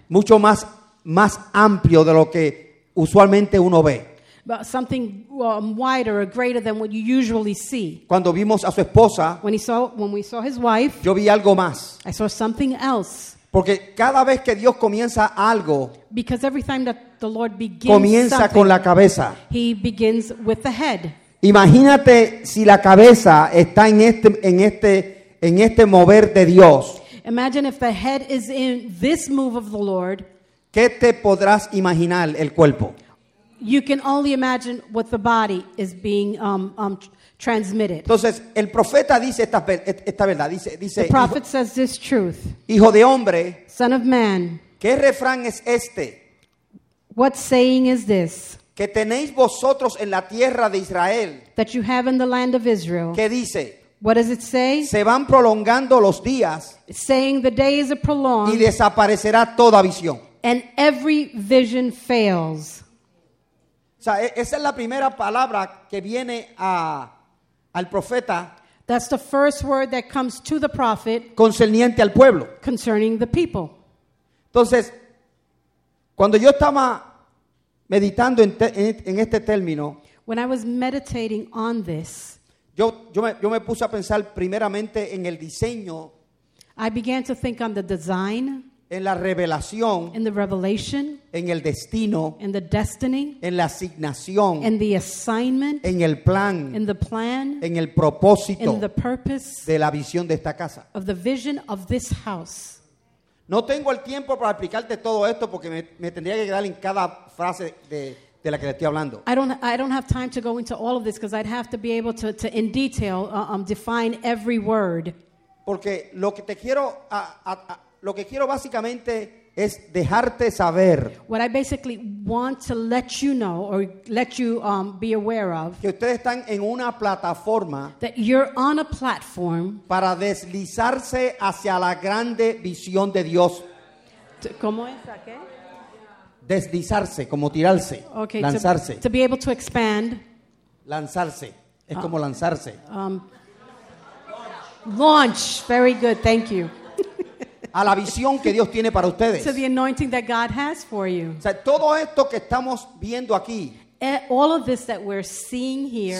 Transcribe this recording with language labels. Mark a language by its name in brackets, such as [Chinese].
[Spanish] Mucho más amplio de lo que usualmente uno ve. [English] But something wider or greater than what you usually see. [Spanish] Cuando vimos a su esposa. [English] When we saw his wife. [Spanish] Yo vi algo más. [English] I saw something else. [Spanish] Porque cada vez que Dios comienza algo, [English] because every time that the Lord begins, [Spanish] comienza con la cabeza. [English] He begins with the head. [Spanish] Imagínate si la cabeza está en este mover de Dios. [English] Imagine if the head is in this move of the Lord. [Spanish] ¿Qué te podrás imaginar el cuerpo? [English] You can only imagine what the body is being transmitted. [Spanish] Entonces, el profeta dice esta verdad. Dice, [English] the prophet says this truth. [Spanish] Hijo de hombre. [English] Son of man. [Spanish] ¿Qué refrán es este? [English] What saying is this? [Spanish] Que tenéis vosotros en la tierra de Israel. [English] That you have in the land of Israel. [Spanish] ¿Qué dice? [English] What does it say? [Spanish] Se van prolongando los días. [English] Saying the days are prolonged. [Spanish] Y desaparecerá toda visión. [English] And every vision fails. [Spanish] O sea, esa es la primera palabra que viene al profeta. [English] That's the first word that comes to the prophet. [Spanish] Concerniente al pueblo. [English] Concerning the people. [Spanish] Entonces, cuando yo estaba meditando en este término, [English] when I was meditating on this, [Spanish] yo me puse a pensar primeramente en el diseño, [English] I began to think on the design, [Spanish] en la revelación, [English] in the revelation, [Spanish] en el destino, [English] in the destiny, [Spanish] en la asignación, [English] in the assignment, [Spanish] en el plan, [English] in the plan, [Spanish] en el propósito, [English] in the purpose, [Spanish] de la visión de esta casa, [English] of the vision of this house. [Spanish] No tengo el tiempo para explicarte todo esto porque me tendría que quedar en cada frase de la que le estoy hablando. [English] I don't have time to go into all of this because I'd have to be able to in detail define every word. [Spanish] Porque lo que quiero básicamente es dejarte saber. [English] What I basically want to let you know or let you be aware of. [Spanish] Que ustedes están en una plataforma. [English] That you're on a platform. [Spanish] Para deslizarse hacia la grande visión de Dios. ¿Cómo es? ¿A qué? Deslizarse, como tirarse, [English] okay, [Spanish] lanzarse. [English] To be able to expand. [Spanish] Lanzarse, es como lanzarse. [English] Launch, very good, thank you. [Spanish] A la visión que Dios tiene para ustedes. [English] To the anointing that God has for you. [Spanish] O sea, todo esto que estamos viendo aquí. [English] All of this that we're seeing here.